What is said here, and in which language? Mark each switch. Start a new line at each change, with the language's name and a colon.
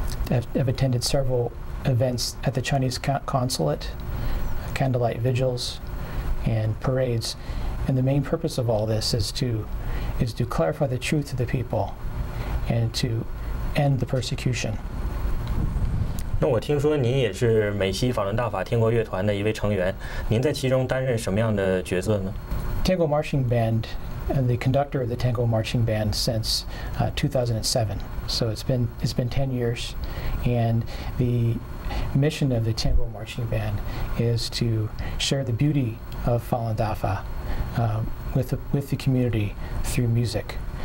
English: I've attended several events at the Chinese consulate, candlelight vigils, and parades. And the main purpose of all this is to clarify the truth to the people and to end the persecution.
Chinese: 那我听说您也是美西法轮大法天国乐团的一位成员，您在其中担任什么样的角色呢？
English: Tango Marching Band and the conductor of the Tango Marching Band since 2007. So it's been 10 years. And the mission of the Tango Marching Band is to share the beauty of Falun Dafa with the community through music.